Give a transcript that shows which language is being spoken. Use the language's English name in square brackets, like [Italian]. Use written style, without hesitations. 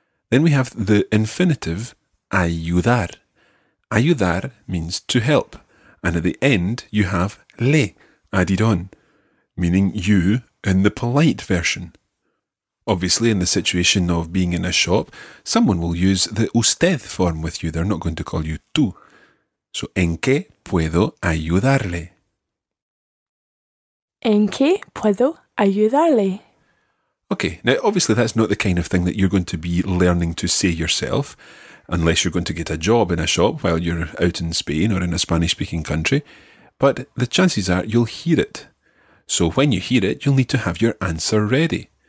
[English] Then we have the infinitive ayudar. Ayudar means to help. And at the end you have le added on, meaning you in the polite version. Obviously, in the situation of being in a shop, someone will use the usted form with you. They're not going to call you tú. [Spanish] So, ¿en qué puedo ayudarle? ¿En qué puedo ayudarle? [English] Okay, now obviously that's not the kind of thing that you're going to be learning to say yourself, unless you're going to get a job in a shop while you're out in Spain or in a Spanish-speaking country. But the chances are you'll hear it. So when you hear it, you'll need to have your answer ready.